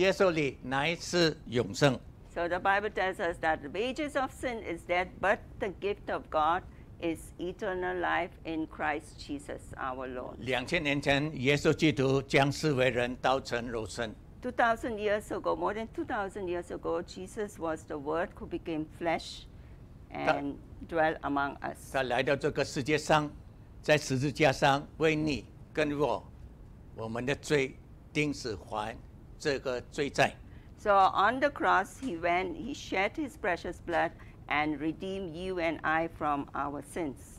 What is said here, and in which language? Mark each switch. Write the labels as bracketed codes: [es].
[zh] 但是神为我们预备了。Sorry. Okay. 然后这里我们告诉我们，罪的工价就是死，唯有神的恩赐在我们主基督耶稣里乃是永生。So [en] the Bible tells us that the wages of sin is death, but the gift of God is eternal life in Christ Jesus our Lord. [zh] 2000年前，耶稣基督将世为人道成肉身。 [en] 2,000 years ago, more than 2,000 years ago, Jesus was the Word who became flesh and dwelt among us. [zh] 他来到这个世界上，在十字架上为你跟我，我们的罪钉死还这个罪债。So [en] on the cross, he went, he shed his precious blood and redeemed you and I from our sins.